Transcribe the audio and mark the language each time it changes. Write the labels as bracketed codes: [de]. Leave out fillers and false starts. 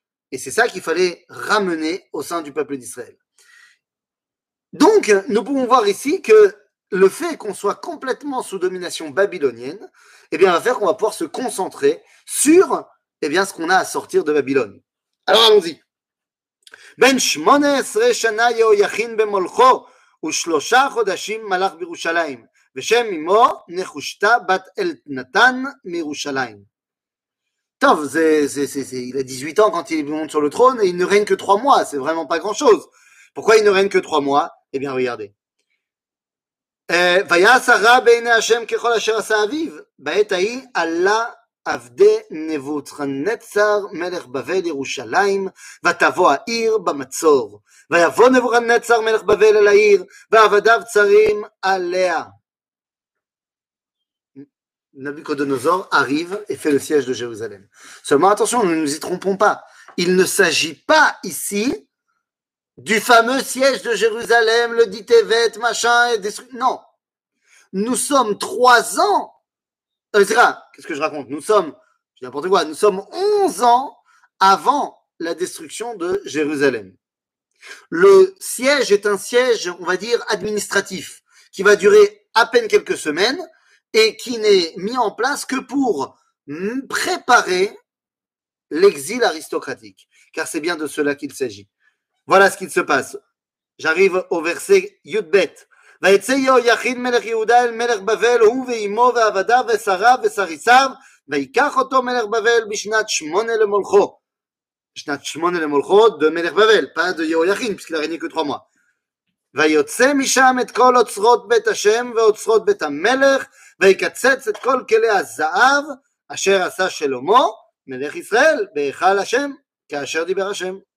[fr] Et c'est ça qu'il fallait ramener au sein du peuple d'Israël. Donc, nous pouvons voir ici que le fait qu'on soit complètement sous domination babylonienne, eh bien, va faire qu'on va pouvoir se concentrer sur, eh bien, ce qu'on a à sortir de Babylone. Alors, allons-y. [he] Ben 18 shana Yehoyachin bemolcho ושלושה חודשים מלך בירושלים, ושם אמו נחושתה בת אל נתן מירושלים. [fr] טוב, il a 18 ans quand il monte sur le trône, et il ne règne que 3 mois, c'est vraiment pas grand chose. Pourquoi il ne règne que 3 mois? Eh bien, regardez. [he] ויעשה רע בעיני השם ככל אשר עשה אביו, בעת ההיא עלה עבדי נבוכדנצר מלך בבל ירושלים, ותבוא העיר במצור. ויבוא נבוכדנצר מלך בבל אל העיר, ועבדיו צרים עליה. [fr] Nabucodonosor arrive et fait le siège de Jérusalem. Seulement attention, ne nous y trompons pas. Il ne s'agit pas ici du fameux siège de Jérusalem, le dit Tevet, machin, et destruit. Non. Nous sommes 3 ans. Qu'est-ce que je raconte? Nous sommes 11 ans avant la destruction de Jérusalem. Le siège est un siège, on va dire, administratif, qui va durer à peine quelques semaines et qui n'est mis en place que pour préparer l'exil aristocratique. Car c'est bien de cela qu'il s'agit. Voilà ce qu'il se passe. J'arrive au verset Yudbet. [he] ויצא יהויכין מלך יהודה אל מלך בבל, הוא ואימו ועבדיו ושריו ושריסיו, ויקח אותו מלך בבל בשנת 8 למולכו. בשנת 8 למולכו, דו מלך בבל, פעד יהויכין, פסקל הרי ניקו את חומה. ויוצא משם את כל אוצרות בית השם ואוצרות בית המלך, ויקצץ את כל כלי הזהב אשר עשה שלמה, מלך ישראל, בהיכל השם, כאשר דיבר השם.